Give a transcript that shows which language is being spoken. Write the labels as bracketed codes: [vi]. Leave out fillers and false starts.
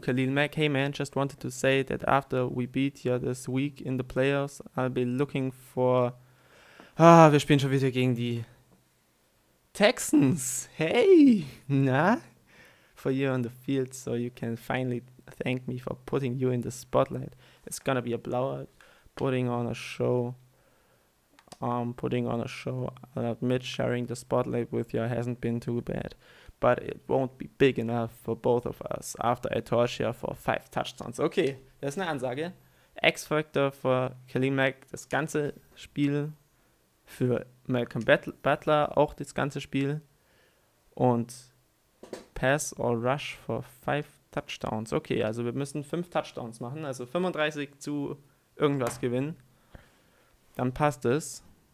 [en] Khalil Mack, hey man, just wanted to say that after we beat you this week in the playoffs, I'll be looking for. [de] Ah, wir spielen schon wieder gegen die Texans, hey, na? [en] For you on the field, so you can finally thank me for putting you in the spotlight. It's gonna be a blowout, putting on a show. Putting on a show. I'll admit sharing the spotlight with you hasn't been too bad, but it won't be big enough for both of us after I torch you for 5 touchdowns. [de] Okay, das ist eine Ansage. X-Factor für Khalil Mack, das ganze Spiel. Für Malcolm Butler auch das ganze Spiel. Und Pass or Rush for 5 Touchdowns. Okay, also wir müssen 5 Touchdowns machen. Also 35 zu irgendwas gewinnen. Dann passt es.